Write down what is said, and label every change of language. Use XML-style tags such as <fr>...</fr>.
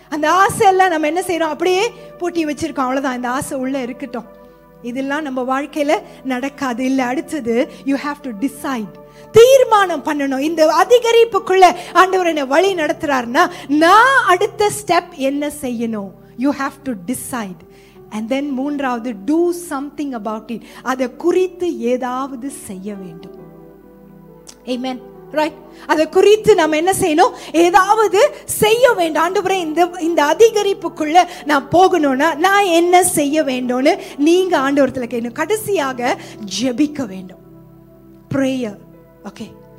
<ta>அந்த ஆசை எல்லாம் நம்ம என்ன செய்யறோம், அப்படியே பூட்டி வச்சிருக்கோம், அவ்வளவுதான். இந்த ஆசை உள்ள இருக்கட்டும், இதெல்லாம் நம்ம வாழ்க்கையில நடக்காது. இல்ல, அடுத்தது</ta> <en>you have to decide,</en> <ta>தீர்மானம் பண்ணணும். இந்த அதிகரிப்புக்குள்ள ஆண்டவர் என்ன வழி நடத்துறாருன்னா, நான் அடுத்த ஸ்டெப் என்ன செய்யணும்,</ta> <en>You have to decide. And then, மூன்றாவது, do something about it.</en> <ta>அதை குறித்து ஏதாவது செய்ய வேண்டும். Amen. Right? அதை குறித்து நாம் என்ன செய்யணும், ஏதாவது செய்ய வேண்டும். ஆண்டவரே இந்த அதிகரிப்புக்குள்ள நான் போகணும்னா நான் என்ன செய்ய வேண்டும்னு நீங்க ஆண்டவரத்துல கேட்கணும். கடைசியாக ஜெபிக்க வேண்டும், prayer. Okay.</ta>